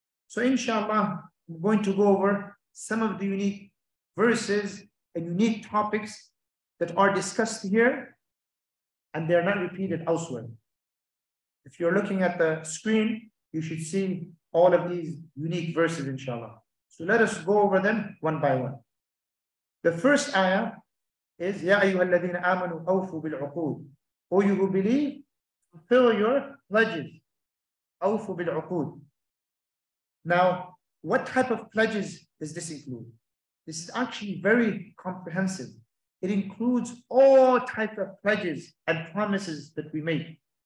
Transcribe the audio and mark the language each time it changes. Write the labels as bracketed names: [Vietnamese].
[English] So inshallah, I'm going to go over some of the unique verses and unique topics that are discussed here, and they're not repeated elsewhere. If you're looking at the screen, you should see all of these unique verses, inshallah. So let us go over them one by one. The first ayah is, [Arabic] يَا أَيُّهَا الَّذِينَ آمَنُوا أَوْفُوا بِالْعُقُودِ. [English] O you who believe, fulfill your pledges. [Arabic] أَوْفُوا بِالْعُقُودِ. [English] Now, what type of pledges does this include? This is actually very comprehensive. It includes all types of pledges and promises that we make.